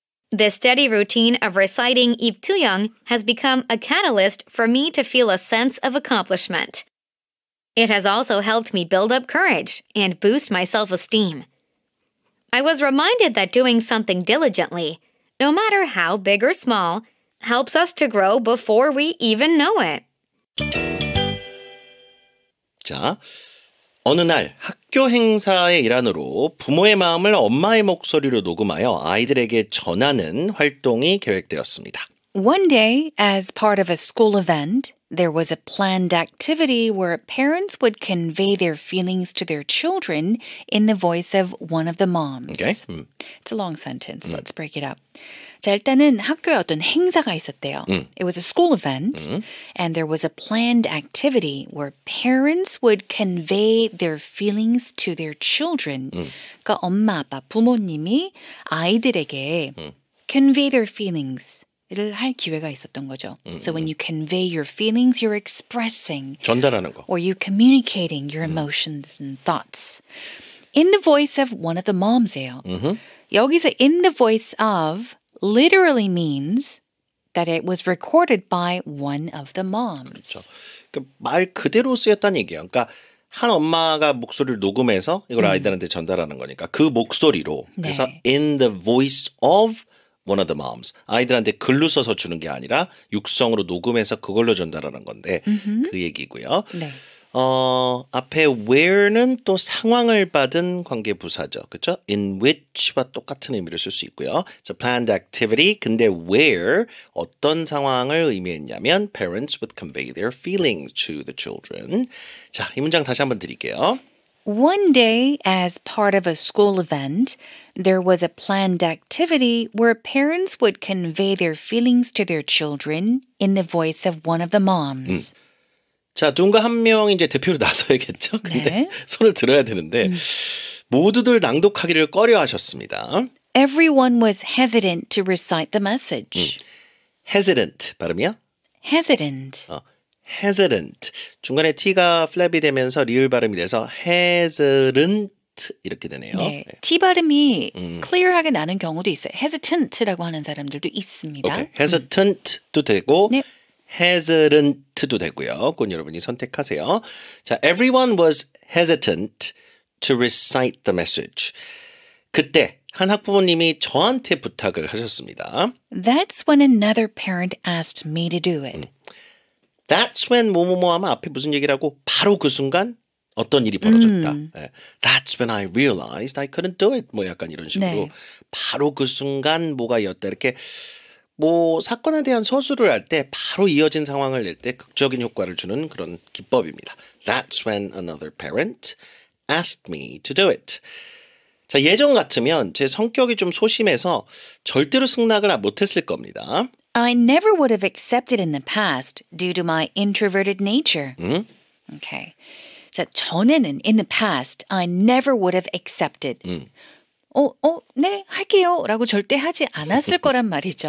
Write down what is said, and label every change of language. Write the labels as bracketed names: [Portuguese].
[English] The steady routine of reciting Ibtuyang has become a catalyst for me to feel a sense of accomplishment. It has also helped me build up courage and boost my self-esteem. I was reminded that doing something diligently, no matter how big or small, helps us to grow before we even know it. [Korean] 자, 어느 날 학교 행사의 일환으로 부모의 마음을 엄마의 목소리로 녹음하여 아이들에게 전하는 활동이 계획되었습니다. [English] One day, as part of a school event, there was a planned activity where parents would convey their feelings to their children in the voice of one of the moms. Okay. It's a long sentence. Let's break it up. [Korean] 자, 일단은 학교에 어떤 행사가 있었대요. [English] It was a school event, and there was a planned activity where parents would convey their feelings to their children. [Korean] 그러니까 엄마, 아빠, 부모님이 아이들에게 [English] convey their feelings. [Korean] 를 할 기회가 있었던 거죠. [English] So when you convey your feelings, you're expressing. [Korean] 전달하는 거. [English] Or you're communicating your emotions and thoughts. In the voice of one of the moms예요. [Korean] 여기서 [English] in the voice of literally means that it was recorded by one of the moms. [Korean] 그렇죠. 그러니까 말 그대로 쓰였다는 얘기예요. 그러니까 한 엄마가 목소리를 녹음해서 이걸 아이들한테 전달하는 거니까 그 목소리로. 네. [English] 그래서 in the voice of one of the moms. [Korean] 아이들한테 글로 써서 주는 게 아니라 육성으로 녹음해서 그걸로 전달하는 건데 그 얘기고요. 네. 앞에 where는 또 상황을 받은 관계 부사죠. 그렇죠? [English] In which와 [Korean] 똑같은 의미를 쓸 수 있고요. [English] It's a planned activity. 근데 where, [Korean] 어떤 상황을 의미했냐면 [English] parents would convey their feelings to the children. [Korean] 자, 이 문장 다시 한번 드릴게요. [English] One day, as part of a school event, there was a planned activity where parents would convey their feelings to their children in the voice of one of the moms. [Korean] 자, 누군가 한 명이 이제 대표로 나서야겠죠? 근데 네. 손을 들어야 되는데 모두들 낭독하기를 꺼려하셨습니다. [English] everyone was hesitant to recite the message. [Korean] Hesitant 발음이야? [English] Hesitant. [Korean] Hesitant. 중간에 T가 flap이 되면서 리을 발음이 돼서 hesitant 이렇게 되네요. 네, T 발음이 clear하게 나는 경우도 있어요. Hesitant라고 하는 사람들도 있습니다. Okay. Hesitant도 되고 네. hesitant도 되고요. 그건 여러분이 선택하세요. [English] 자, everyone was hesitant to recite the message. [Korean] 그때 한 학부모님이 저한테 부탁을 하셨습니다. [English] That's when another parent asked me to do it. [Korean] That's when 뭐뭐뭐 하면 앞에 무슨 얘기라고 바로 그 순간 어떤 일이 벌어졌다. [English] That's when I realized I couldn't do it. [Korean] 뭐 약간 이런 식으로 네. 바로 그 순간 뭐가 이었다. 이렇게 뭐 사건에 대한 서술을 할 때 바로 이어진 상황을 낼 때 극적인 효과를 주는 그런 기법입니다. [English] That's when another parent asked me to do it. [Korean] 자, 예전 같으면 제 성격이 좀 소심해서 절대로 승낙을 못했을 겁니다. [English] I never would have accepted in the past due to my introverted nature. 응? Okay. [Korean] 자, 전에는 [English] in the past I never would have accepted. [Korean] 네, 할게요 라고 절대 하지 않았을 거란 말이죠.